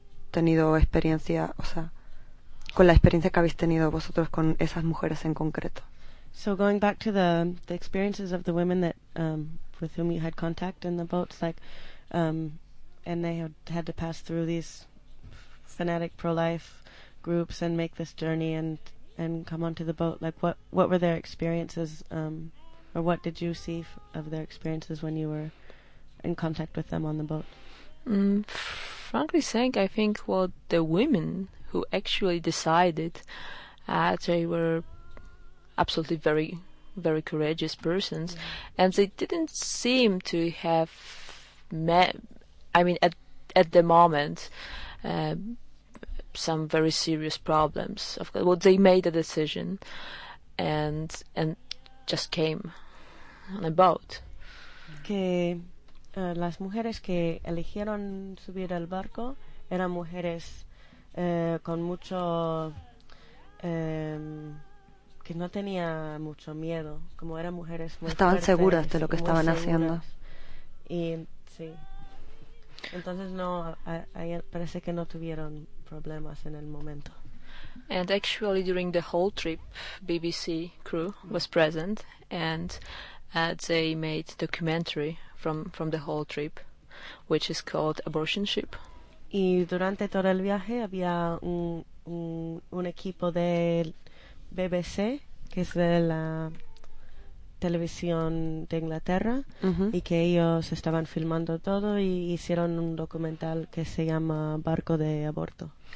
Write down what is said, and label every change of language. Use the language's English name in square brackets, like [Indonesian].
[Spanish] tenido experiencia, o sea, con la experiencia que habéis tenido vosotros con esas mujeres en concreto? [English] So going back to the experiences of the women that with whom you had contact in the boats, like, and they had to pass through these fanatic pro-life groups and make this journey and come onto the boat. Like, what were their experiences, or what did you see of their experiences when you were in contact with them on the boat? Frankly saying, I think, well, the women who actually decided, they were absolutely very, very courageous persons, yeah. And they didn't seem to have at the moment some very serious problems. Of course, well, they made a decision and just came on a boat. [Spanish] Que las mujeres que eligieron subir al barco eran mujeres con mucho que no tenía mucho miedo, como eran mujeres muy estaban fuertes, seguras de lo que estaban seguras, haciendo. Y sí, Entonces no, parece que no tuvieron problemas en el momento. [English] And actually during the whole trip, BBC crew was present, and they made documentary from the whole trip, which is called Abortion Ship. [Spanish] Y durante todo el viaje había un equipo de BBC, que es de la televisión de Inglaterra, y que ellos estaban filmando todo y hicieron un documental que se llama Barco de Aborto.